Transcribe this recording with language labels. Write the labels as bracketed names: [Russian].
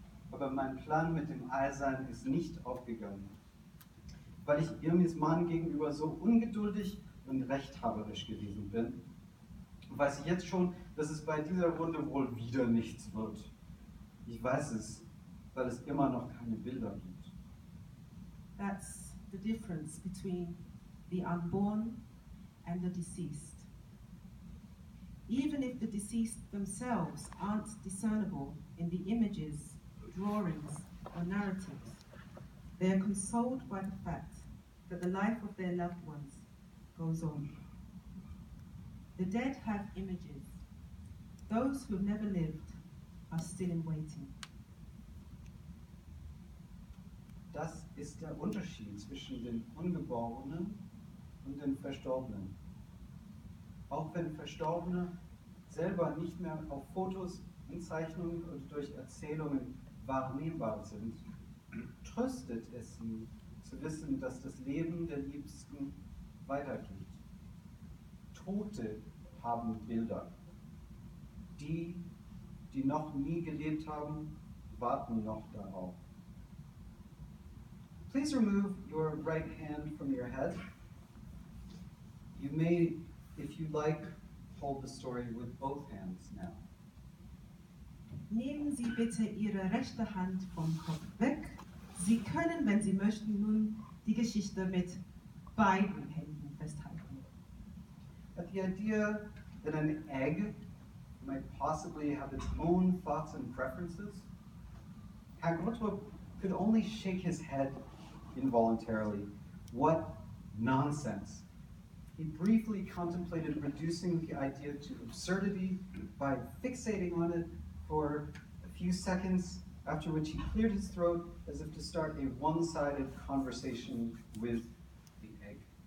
[German] Aber mein Plan mit dem Eisern ist nicht aufgegangen. Weil ich Irmis Mann gegenüber so ungeduldig und rechthaberisch gewesen bin, weiß ich jetzt schon, dass es bei dieser Runde wohl wieder nichts wird. Ich weiß es, weil es immer noch keine Bilder gibt. [English] That's the difference between the unborn and the deceased. Even if the deceased themselves aren't discernible in the images, drawings, or narratives, they are consoled by the fact that the life of their loved ones goes on. The dead have images. Those who have never lived are still in waiting. [German] Das ist der Unterschied zwischen den Ungeborenen und den Verstorbenen. Auch wenn Verstorbene selber nicht mehr auf Fotos, in Zeichnungen und durch Erzählungen wahrnehmbar sind, tröstet es sie zu wissen, dass das Leben der Liebsten weitergeht. Tote haben Bilder. Die, die noch nie gelebt haben, warten noch darauf. [English] Please remove your right hand from your head. You may, if you like, hold the story with both hands now. [German] Nehmen Sie bitte Ihre rechte Hand vom Kopf weg. Sie können, wenn Sie möchten, nun die Geschichte mit beiden Händen festhalten. [English] But the idea that an egg might possibly have its own thoughts and preferences, Herr Grotrup could only shake his head involuntarily, What nonsense. He briefly contemplated reducing the idea to absurdity by fixating on it for a few seconds, after which he cleared his throat as if to start a one-sided conversation with the egg.